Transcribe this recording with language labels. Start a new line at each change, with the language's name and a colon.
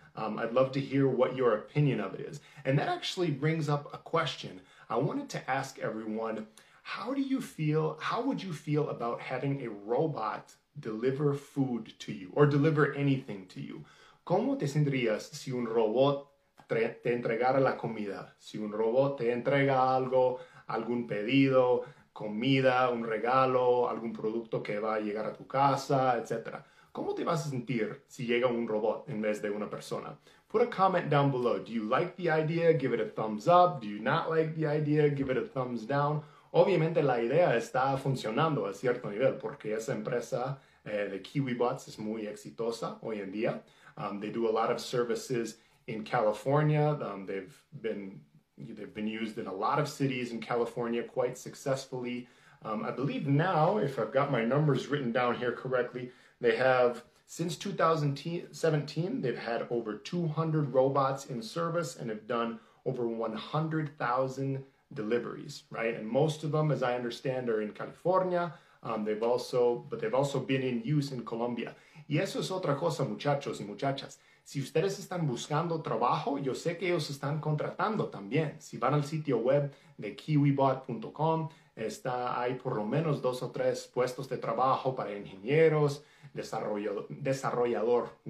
English: I'd love to hear what your opinion of it is. And that actually brings up a question. I wanted to ask everyone, how would you feel about having a robot deliver food to you, or deliver anything to you?
Spanish: ¿Cómo te sentirías si un robot te entregara la comida? Si un robot te entrega algo, algún pedido, comida, un regalo, algún producto que va a llegar a tu casa, etc. ¿Cómo te vas a sentir si llega un robot en vez de una persona?
English: Put a comment down below. Do you like the idea? Give it a thumbs up. Do you not like the idea? Give it a thumbs down.
Spanish: Obviamente la idea está funcionando a cierto nivel porque esa empresa de KiwiBots es muy exitosa hoy en día.
English: They do a lot of services in California. They've been used in a lot of cities in California quite successfully. I believe now, if I've got my numbers written down here correctly, they have, since 2017, they've had over 200 robots in service and have done over 100,000 deliveries, right? And most of them, as I understand, are in California. They've also been in use in Colombia.
Spanish: Y eso es otra cosa, muchachos y muchachas. Si ustedes están buscando trabajo, yo sé que ellos están contratando también. Si van al sitio web de kiwibot.com, hay por lo menos dos o tres puestos de trabajo para ingenieros, desarrollador.